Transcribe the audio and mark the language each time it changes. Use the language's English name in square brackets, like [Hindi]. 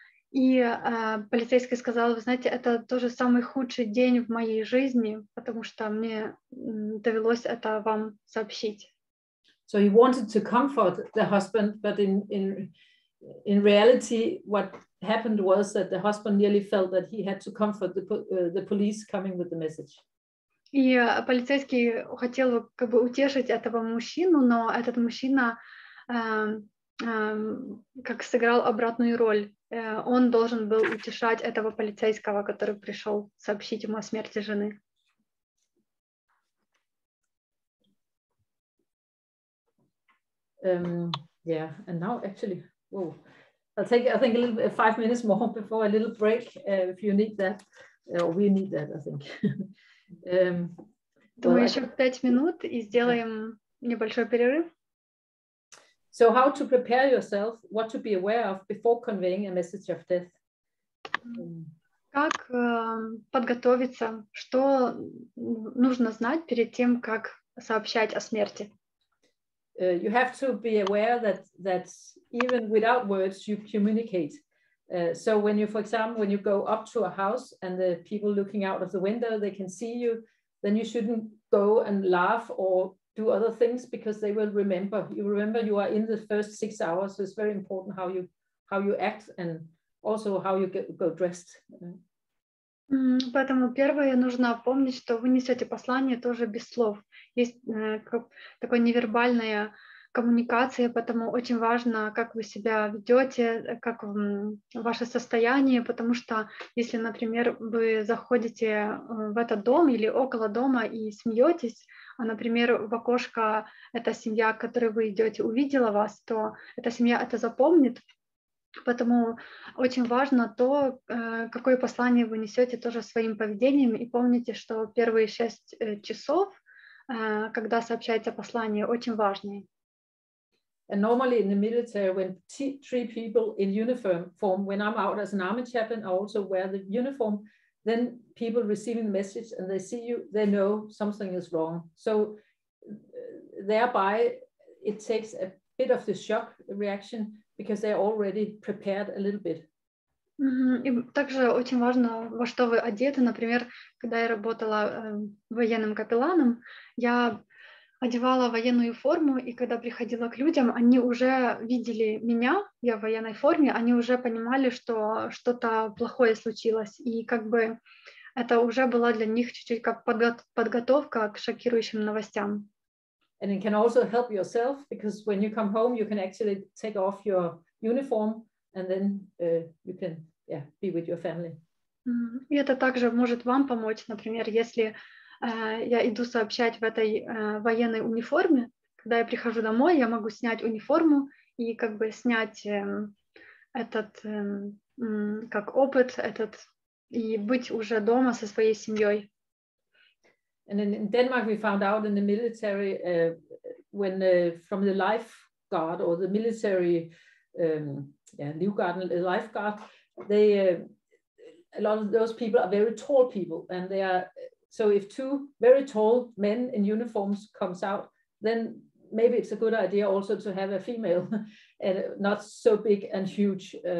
[Russian] И полицейский сказал, вы знаете, это тоже самый худший день в моей жизни, потому что мне довелось это вам сообщить. [English] So he wanted to comfort the husband, but in reality, what happened was that the husband nearly felt that he had to comfort the police coming with the message. [Russian] И полицейский хотел как бы утешить этого мужчину, но этот мужчина как сыграл обратную роль. Он должен был утешать этого полицейского, который пришел сообщить ему о смерти жены. [English] Yeah, and now actually, whoa, I think a little bit, 5 minutes more before a little break, if you need that, or we need that, I think. [Russian] Думаю, еще 5 минут и сделаем небольшой перерыв. [English] So how to prepare yourself, what to be aware of before conveying a message of death? [Russian] Как подготовиться, что нужно знать перед тем, как сообщать о смерти? [English] You have to be aware that even without words you communicate. So when you, for example, when you go up to a house and the people looking out of the window, they can see you, then you shouldn't go and laugh or do other things, because they will remember. You remember you are in the first 6 hours, so it's very important how you act and also how you go dressed. [Russian] Поэтому первое, нужно помнить, что вы несете послание тоже без слов. Есть такое невербальная коммуникация, поэтому очень важно, как вы себя ведете, как ваше состояние, потому что если, например, вы заходите в этот дом или около дома и смеетесь, а, например, в окошко эта семья, к которой вы идете, увидела вас, то эта семья это запомнит. Поэтому очень важно то, какое послание вы несете тоже своим поведением. И помните, что первые 6 часов, когда сообщается послание, очень важны. [English] And normally in the military, when three people in uniform form, when I'm out as an army chaplain, I also wear the uniform, then people receiving the message and they see you, they know something is wrong. So thereby it takes a bit of the shock reaction, because they're already prepared a little bit. [Russian] И также очень важно, во что вы одеты. Например, когда я работала военным капелланом, я одевала военную форму, и когда приходила к людям, они уже видели меня, я в военной форме, они уже понимали, что что-то плохое случилось. И как бы это уже была для них чуть-чуть как подготовка к шокирующим новостям. [English] And it can also help yourself, because when you come home, you can actually take off your uniform and then you can be with your family. [Russian] И это также может вам помочь, например, если я иду сообщать в этой военной униформе. Когда я прихожу домой, я могу снять униформу и как бы снять этот как опыт этот и быть уже дома со своей семьей. [English] And then in Denmark, we found out in the military, when from the lifeguard or the military, livguard, lifeguard, they a lot of those people are very tall people, and they are. So if two very tall men in uniforms comes out, then maybe it's a good idea also to have a female and not so big and huge.